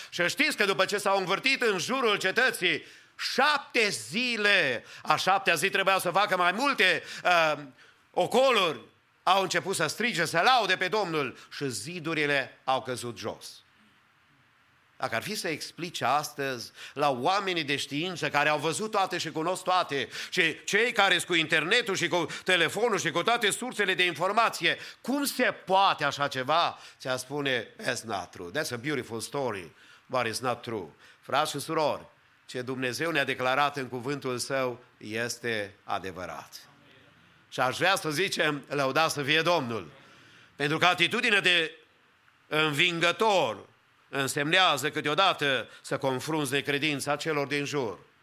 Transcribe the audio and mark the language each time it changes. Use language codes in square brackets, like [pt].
[ro] Și știți că după ce s-au învârtit în jurul cetății, 7 zile, a șaptea zi trebuia să facă mai multe ocoluri, au început să strige, să laude pe Domnul și zidurile au căzut jos. Dacă ar fi să explice astăzi la oamenii de știință care au văzut toate și cunosc toate și cei care sunt cu internetul și cu telefonul și cu toate sursele de informație, cum se poate așa ceva, ți-ar spune, [en] that's not true. That's a beautiful story, but it's not true. [ro] Frați și surori, ce Dumnezeu ne-a declarat în cuvântul Său este adevărat. Și aș vrea să zicem, lăudați să fie Domnul. Pentru că atitudinea de învingător însemnează câteodată să confrunți necredința celor din jur.